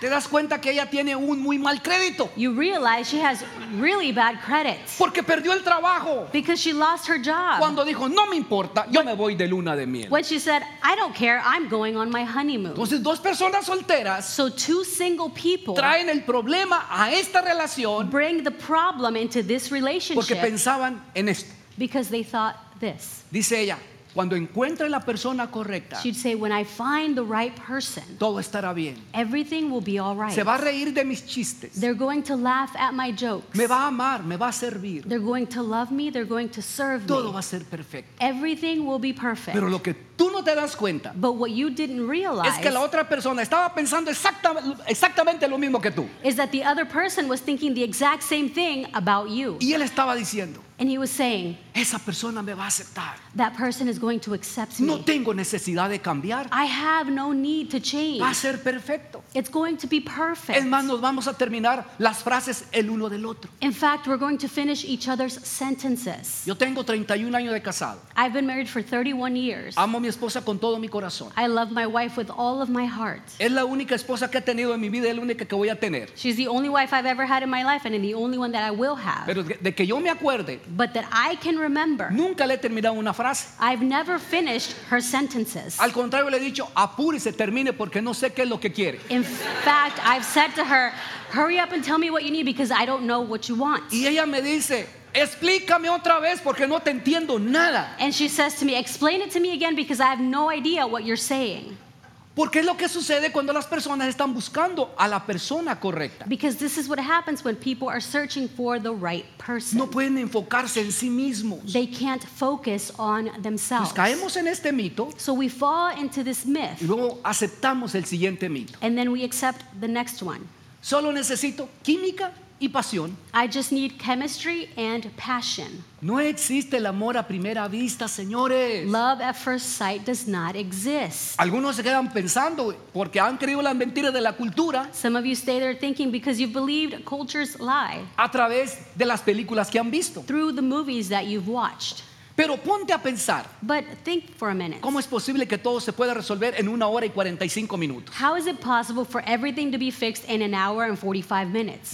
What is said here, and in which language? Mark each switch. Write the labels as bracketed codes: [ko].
[es] te das cuenta que ella tiene un muy mal crédito. [en] You realize she has really bad credit. [es] Porque perdió el trabajo. [en] Because she lost her job. [es] Cuando dijo, no me importa, yo me voy de luna de miel. [en] When she said, I don't care, I'm going on my honeymoon. [es] Entonces dos personas solteras, [en] so two single people, [es] traen el problema a esta relación, [en] bring the problem into this relationship. [es] Porque pensaban en esto. [en] Because they thought this. [es] Dice ella, Cuando encuentre la persona correcta, [en] she'd say, when I find the right person, [es] todo estará bien. [en] Everything will be all right. [es] Se va a reír de mis chistes. [en] They're going to laugh at my jokes. [es] Me va a amar, me va a servir. [en] They're going to love me, they're going to serve [es] todo [en] me. [es] Todo va a ser perfecto. [en] Everything will be perfect. [es] Pero lo que tú no te das cuenta, [en] but what you didn't realize, [es] es que la otra persona estaba pensando exactamente lo mismo que tú. [en] Is that the other person was thinking the exact same thing about you. [es] Y él estaba diciendo, [en] and he was saying, [es] esa persona me va a aceptar. [en] That person is going to accept me. [es] No tengo necesidad de cambiar. [en] I have no need to change. [es] Va a ser perfecto. [en] It's going to be perfect. [es] Es más, nos vamos a terminar las frases el uno del otro. [en] In fact, we're going to finish each other's sentences. [es] Yo tengo 31 años de casado. [en] I've been married for 31 years. [es] Amo a mi esposa con todo mi corazón. [en] I love my wife with all of my heart. [es] Es la única esposa que he tenido en mi vida, es la única que voy a tener. [en] She's the only wife I've ever had in my life and the only one that I will have. [es] Pero de que yo me acuerde, [en] but that I can remember, [es] nunca le he terminado una frase. [en] I've never finished her sentences. [es] Al contrario, le he dicho, apúrese, termine, porque no sé qué es lo que quiere. [en] In fact, I've said to her, hurry up and tell me what you need because I don't know what you want. [es] Y ella me dice, explícame otra vez porque no te entiendo nada. [en] And she says to me, explain it to me again because I have no idea what you're saying. [es] Porque es lo que sucede cuando las personas están buscando a la persona correcta. [en] Because this is what happens when people are searching for the right person. [es] No pueden enfocarse en sí mismos. [en] They can't focus on themselves. [es] Nos caemos en este mito. [en] So we fall into this myth. [es] Y luego aceptamos el siguiente mito. [en] And then we accept the next one. [es] Solo necesito química y pasión. [en] I just need chemistry and passion. [es] No existe el amor a primera vista, señores. [en] Love at first sight does not exist. [es] Algunos se quedan pensando porque han creído las mentiras de la cultura. [en] Some of you stay there thinking because you've believed culture's lie. [es] A través de las películas que han visto. [en] Through the movies that you've watched. [es] Pero ponte a pensar. [en] But think for a minute. [es] ¿Cómo es posible que todo se pueda resolver en una hora y 45 minutos? [en] How is it possible for everything to be fixed in an hour and 45 minutes?